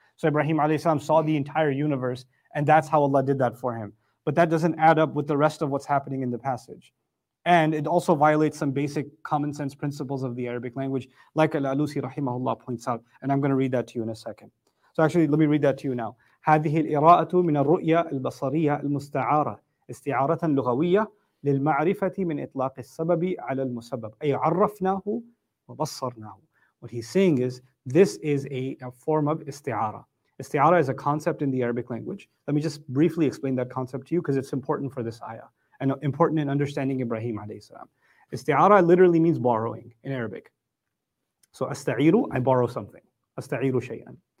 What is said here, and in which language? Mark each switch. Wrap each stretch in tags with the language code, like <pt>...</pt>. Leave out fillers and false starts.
<en>So Ibrahim alayhi salam saw the entire universe, and that's how Allah did that for him. But that doesn't add up with the rest of what's happening in the passage. And it also violates some basic common sense principles of the Arabic language, like Al-Alusi rahimahullah points out, and I'm going to read that to you in a second. So actually, let me read that to you now.</en> <ar>هذه الإراءة من الرؤية البصرية المستعارة استعارة لغوية للمعرفة من إطلاق السبب على المسبب أي عرفناه وبصرناه.</ar> <en>What he's saying is, this is a form of استعارة. استعارة is a concept in the Arabic language. Let me just briefly explain that concept to you because it's important for this ayah and important in understanding Ibrahim alayhi salam. Isti'ara literally means borrowing in Arabic. So asta'iru, I borrow something. Asta'iru shay'an.</en>